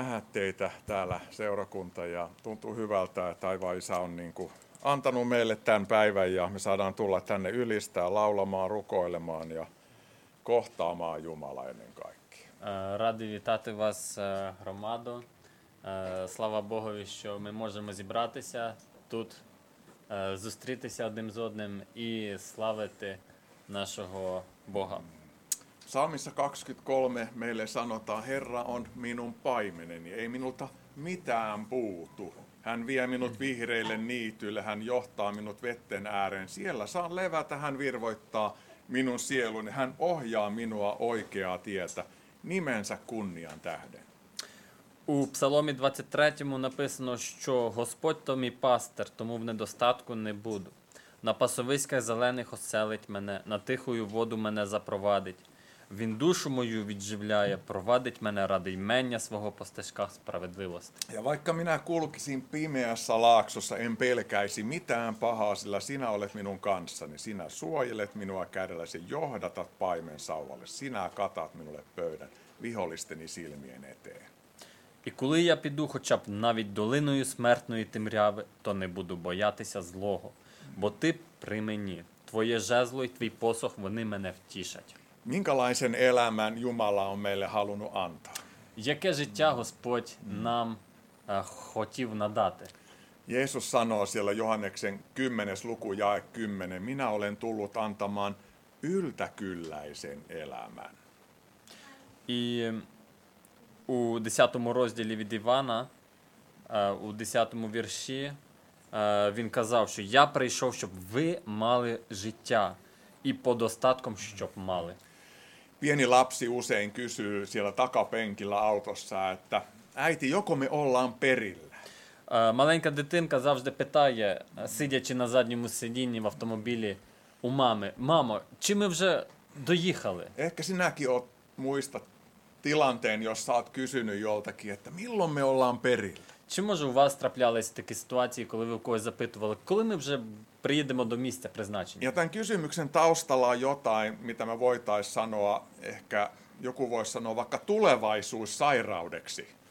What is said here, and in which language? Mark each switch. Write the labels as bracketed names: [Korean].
[Finnish] nähdä teitä täällä seurakunta ja tuntuu hyvältä, että taivaan Isä on niin kuin antanut meille tämän päivän ja me saadaan tulla tänne ylistää, laulamaan, rukoilemaan ja kohtaamaan Jumala ennen kaikkea. [Ukrainian] Radi vitati vas romado. Slava Bogovi, що ми можемо зібратися тут, зустрітися одним з одним і славити нашого Бога. [Finnish] Psalmissa 23 meille sanotaan, Herra on minun paimeneni, ei minulta mitään puutu. Hän vie minut vihreille niityille, hän johtaa minut vetten ääreen. Siellä saan levätä, hän virvoittaa minun sieluni, hän ohjaa minua oikeaa tietä nimensä kunnian tähden. [Ukrainian] У Псаломі 23-му написано, що Господь то мій пастир, тому в недостатку не буду. На пасовиськах зелених оселить мене, на тихую воду мене запровадить. Він душу мою відживляє, провадить мене ради імення свого по стежках справедливості. [Finnish] Ja vaikka minä kulkisin pimeässä laaksossa, en pelkäisi mitään pahaa, sillä sinä olet minun kanssani. Sinä suojelet minua kädelläsi, johdatat paimen sauvalle. Sinä katat minulle pöydän vihollisteni silmien eteen. [Ukrainian] І коли я піду хоча б навіть долиною смертної темряви, то не буду боятися злого, бо ти при мені, твоє жезло і твій посох, вони мене втішать. [Finnish] Minkälaisen elämän Jumala on meille halunnut antaa? [Ukrainian] Яке життя Господь нам хотів надати? [Finnish] Jeesus sanoo siellä Johanneksen 10. luku jae 10. Minä olen tullut antamaan yltäkylläisen elämän. [Ukrainian] І у 10-му розділі від Івана, у 10-му вірші, він казав, що я прийшов, щоб ви мали життя і по достатком, щоб мали. [Finnish] Pieni lapsi usein kysyy siellä takapenkillä autossa, että äiti, joko me ollaan perillä? [Ukrainian] Маленька дитинка завжди питає, сидячи на задньому сидінні в автомобілі у мами: "Мамо, чи ми вже доїхали?" [Finnish] Ehkä sinäkin oot muistat tilanteen, jos sä oot kysynyt joltakin, että milloin me ollaan perillä. [Ukrainian] Чи може у вас траплялись такі ситуації, коли ви у когось запитували, коли ми вже приїдемо до місця призначення? [Finnish] Ja tämän kysymyksen taustalla on jotain, mitä me voitaisiin sanoa, ehkä joku voisi sanoa vaikka tulevaisuussairaudeksi.